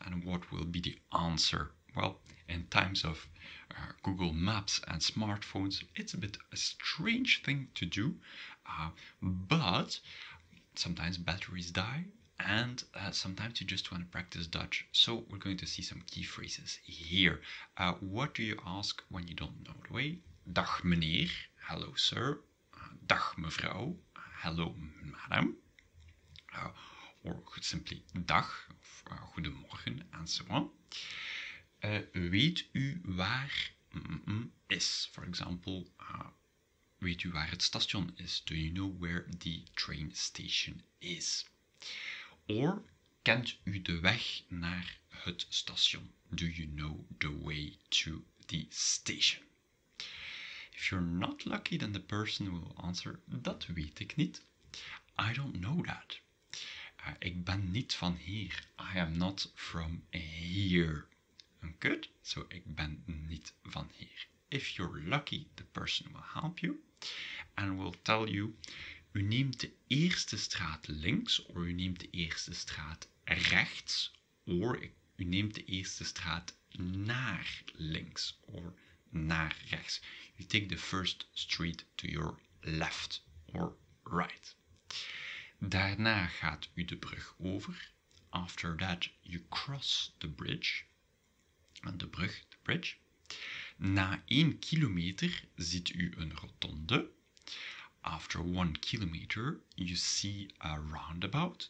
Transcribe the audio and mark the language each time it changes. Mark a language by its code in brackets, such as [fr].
[en] And what will be the answer? Well, in times of Google Maps and smartphones, it's a bit a strange thing to do. But sometimes batteries die and sometimes you just want to practice Dutch. So we're going to see some key phrases here. What do you ask when you don't know the way? [nl] Dag meneer, [en] hello sir. [nl] Dag mevrouw, [en] hello madam. Or simply [nl] dag, of goedemorgen, [en] and so on. [nl] Weet u waar is? [en] For example, [nl] weet u waar het station is? [en] Do you know where the train station is? [nl] Or kent u de weg naar het station? [en] Do you know the way to the station? If you're not lucky, then the person will answer, [nl] dat weet ik niet. [en] I don't know that. [nl] Ik ben niet van hier. [en] I am not from here. Good. [nl] So, ik ben niet van hier. [en] If you're lucky, the person will help you and will tell you, [nl] u neemt de eerste straat links or u neemt de eerste straat rechts or u neemt de eerste straat naar links or naar rechts. [en] You take the first street to your left or right. [nl] Daarna gaat u de brug over. [en] After that, you cross the bridge. [nl] And de brug, [en] the bridge. [nl] Na 1 kilometer ziet u een rotonde. [en] After 1 kilometer, you see a roundabout.